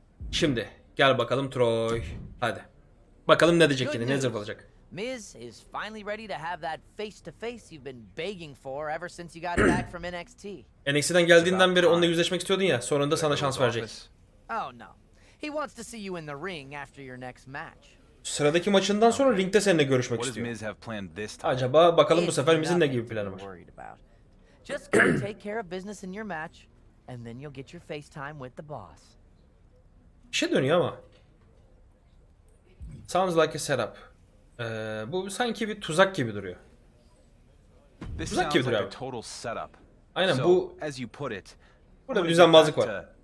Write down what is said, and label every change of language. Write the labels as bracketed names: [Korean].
[Turkish] Şimdi gel bakalım Troy. Hadi. Bakalım ne diyecek yine. Ne zırvalacak. [English] Miz is finally ready to have that face-to-face you've been begging for ever since you got back from NXT. [Turkish] NXT'den geldiğinden beri onunla yüzleşmek istiyordun ya, sonunda sana şans verecek. [English] Oh no. He wants to see you in the ring after your next match. [Turkish] Sıradaki maçından sonra ringde seninle görüşmek istiyor. Acaba bakalım bu sefer Miz'in ne gibi planı var? [English] Just go take care of business in your match and then you'll get your FaceTime with the boss. [Turkish] İşe dönüyor ama. [English] Sounds like a setup. [Turkish] Bu sanki bir tuzak gibi duruyor. Tuzak gibi duruyor. Abi. [English] Total setup. [Turkish] Aynen bu. [English] As you put it. [Turkish] Burada bir düzenbazlık var.